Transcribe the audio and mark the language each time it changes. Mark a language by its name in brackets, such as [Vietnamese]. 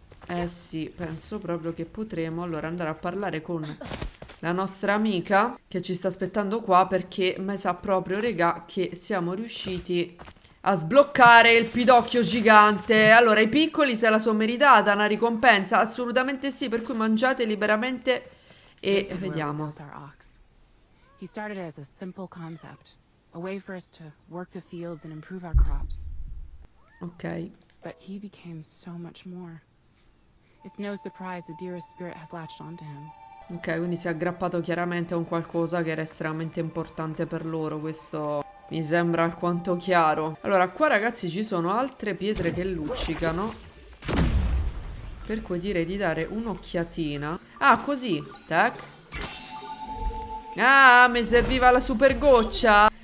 [Italian] Eh sì, penso proprio che potremo allora andare a parlare con la nostra amica che ci sta aspettando qua, perché me sa proprio, regà, che siamo riusciti a sbloccare il pidocchio gigante. Allora, i piccoli se la sono meritata, una ricompensa? Assolutamente sì, per cui mangiate liberamente e vediamo. [English] He started as a simple concept, a way for us to work the fields and improve our crops. Ok. But he became so much more. It's no surprise the dearest spirit has latched onto him. [Italian] Ok, quindi si è aggrappato chiaramente a un qualcosa che era estremamente importante per loro. Questo mi sembra alquanto chiaro. Allora, qua ragazzi ci sono altre pietre che luccicano. Per cui direi di dare un'occhiatina. Ah, così. Tac. Ah, mi serviva la super goccia.